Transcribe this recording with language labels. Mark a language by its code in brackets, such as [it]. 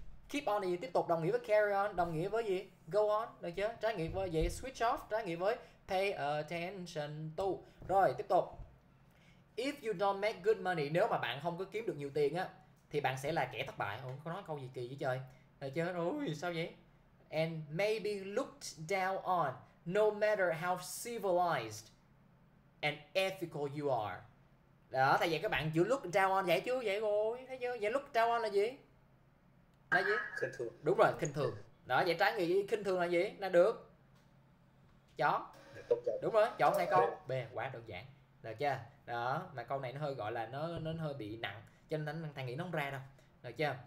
[vi] Keep on thì tiếp tục, đồng nghĩa với carry on, đồng nghĩa với gì? Go on, được chưa? Trái nghiệm với vậy, switch off, trái nghiệm với pay attention to. Rồi, tiếp tục. [en] If you don't make good money, [vi] nếu mà bạn không có kiếm được nhiều tiền á thì bạn sẽ là kẻ thất bại. Ủa, có nói câu gì kỳ vậy trời? Được chưa? Ôi, sao vậy? [en] And may be looked down on no matter how civilized and ethical you are. [vi] Đó, tại vậy các bạn giữ lúc trao on vậy chứ, vậy rồi thấy chưa, vậy lúc trao on là gì, là gì, Xin thưa. đúng rồi, khinh thường đó. Vậy trái nghĩa khinh thường là gì, là được chó, Tốt chưa? đúng rồi, chọn hai B. câu B, quá đơn giản, được chưa. Đó mà câu này nó hơi gọi là nó hơi bị nặng cho nên thầy nghĩ nó không ra đâu, được chưa.